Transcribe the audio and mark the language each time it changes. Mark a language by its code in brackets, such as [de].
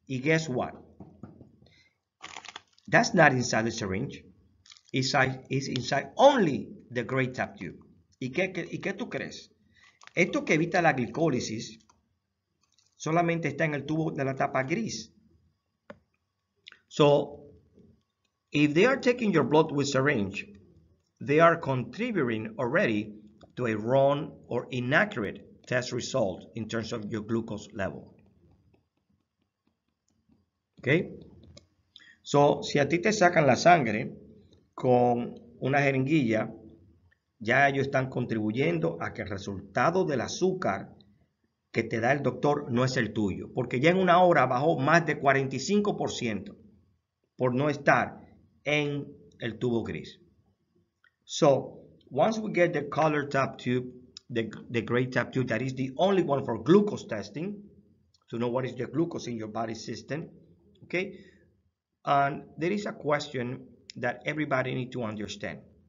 [en] Y guess what? That's not inside the syringe. It's inside only the gray tap tube. [es] ¿Y qué tú crees? Esto que evita la glicólisis solamente está en el tubo de la tapa gris. [en] So, if they are taking your blood with syringe, they are contributing already to a wrong or inaccurate test result in terms of your glucose level. Okay? [es] So, si a ti te sacan la sangre con una jeringuilla, ya ellos están contribuyendo a que el resultado del azúcar que te da el doctor no es el tuyo. Porque ya en una hora bajó más de 45% por no estar en el tubo gris. [en] So, once we get the color tap tube, the gray tap tube, that is the only one for glucose testing, to know what is the glucose in your body system, okay? And there is a question that everybody needs to understand.